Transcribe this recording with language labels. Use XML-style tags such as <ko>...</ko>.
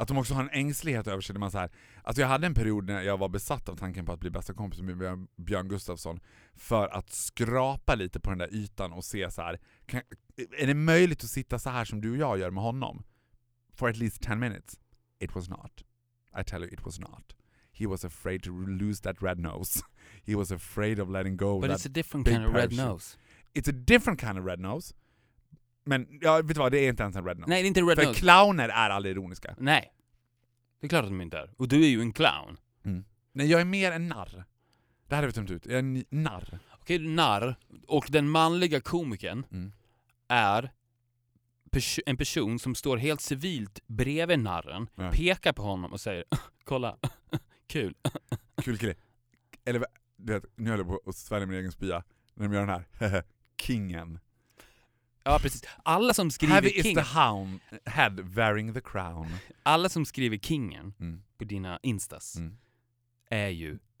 <sv>Att de också har en ängslighet över sig. Där man så här, alltså jag hade en period när jag var besatt av tanken på att bli bästa kompis med Björn Gustafsson. För att skrapa lite på den där ytan och se så här. Är det möjligt att sitta så här som du och jag gör med honom?</sv> <en>For at least 10 minutes. It was not. I tell you, it was not. He was afraid to lose that red nose. He was afraid of letting go. But that it's a different kind of red nose. It's a different kind of red nose.</en> <sv>Men ja, vet du vad, det är inte ens en</sv> <en>red nose.</en> <sv>Nej, det är inte en red nose. För clowner är aldrig ironiska. Nej. Det är klart att de inte är. Och du är ju en clown. Mm. Nej, jag är mer en narr. Det här har vi tömt ut. Jag är en narr. Okej, du är narr. Och den manliga komikern är en person som står helt civilt bredvid narren, pekar på honom och säger, kolla, kul. Kul grej. Eller, du vet, nu håller jag på att svärja min egen spia. När de gör den här, kingen. Ja, precis. Alla som skriver</sv> <en>heavy</en> <sv>kingen.</sv> <en>Heavy is the hound, head wearing the crown.</en> <sv>Alla som skriver kingen på dina instas är ju</sv>